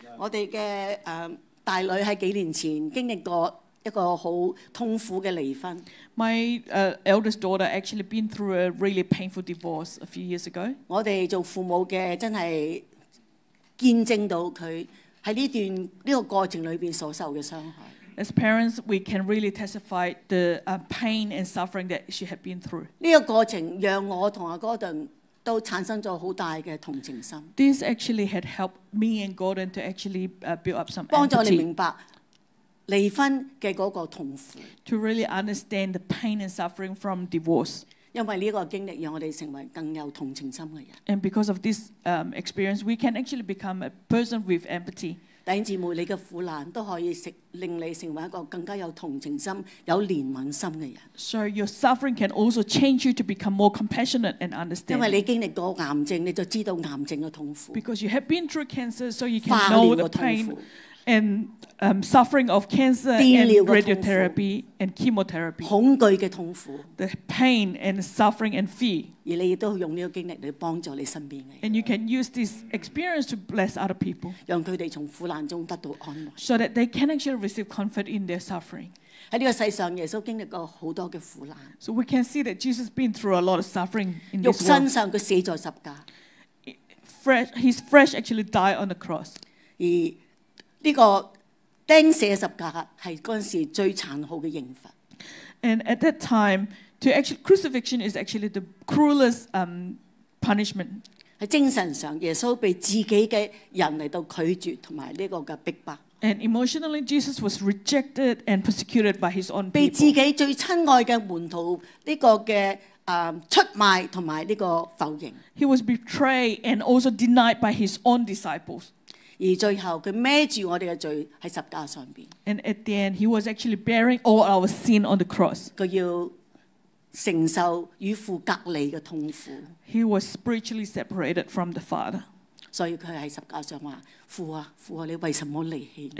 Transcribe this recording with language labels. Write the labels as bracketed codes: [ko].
[yue] 我哋嘅大女喺幾年前經歷過一個好痛苦嘅離婚。 [en] My eldest daughter actually been through a really painful divorce a few years ago. [yue] 我哋做父母嘅真係見證到佢喺呢段呢個過程裏邊所受嘅傷害。 [en] As parents, we can really testify the pain and suffering that she had been through. [yue] 呢個過程讓我同阿 Gordon 都產生咗好大嘅同情心。 [en] This actually had helped me and Gordon to actually build up some empathy. [yue] 幫助你明白離婚嘅嗰個痛苦。 [en] To really understand the pain and suffering from divorce. [yue] 因為呢個經歷讓我哋成為更有同情心嘅人。 [en] And because of this experience, we can actually become a person with empathy. [yue] 弟兄姊妹，你嘅苦難都可以令你成為一個更加有同情心、有憐憫心嘅人。 [en] So your suffering can also change you to become more compassionate and understanding. [yue] 因為你經歷過癌症，你就知道癌症嘅痛苦。 [en] Because you have been through cancer, so you can know the pain and suffering of cancer and radiotherapy and chemotherapy. [yue] 恐懼嘅痛苦。 [en] The pain and suffering and fear. [yue] 而你亦都用呢個經歷嚟幫助你身邊嘅人。 [en] And you can use this experience to bless other people. [yue] 讓佢哋從苦難中得到安慰。 [en] So that they can actually receive comfort in their suffering. [yue] 喺呢個世上，耶穌經歷過好多嘅苦難。 [en] So we can see that Jesus been through a lot of suffering in this world. [yue] 肉身上佢死在十架。 [en] His flesh actually died on the cross. [yue] 而呢個釘死十架係嗰陣時最殘酷嘅刑罰。 [en] And at that time, to actually crucifixion is actually the cruelest punishment. [yue] 喺精神上，耶穌被自己嘅人嚟到拒絕同埋呢個嘅逼迫。 [en] And emotionally, Jesus was rejected and persecuted by his own people. [yue] 被自己最親愛嘅門徒呢個嘅出賣同埋呢個否認。 [en] He was betrayed and also denied by his own disciples. [yue] 而最後佢孭住我哋嘅罪喺十架上邊。 [en] And at the end, he was actually bearing all our sin on the cross. [yue] 佢要承受與父隔離嘅痛苦。 [en] He was spiritually separated from the Father. [yue] 所以佢喺十架上話：父啊，父啊，你為什麼離棄？